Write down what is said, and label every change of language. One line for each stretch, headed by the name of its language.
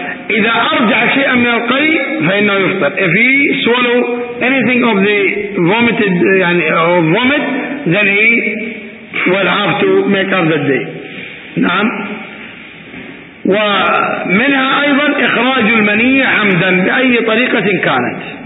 Arabic: إذا أرجع شيئا من القيء فإنه يفطر.
English: If he swallow anything of the vomited
Arabic: يعني
English: or vomit, then he will have to make up that day.
Arabic: نعم. ومنها أيضا إخراج المنيع عمدا بأي طريقة كانت.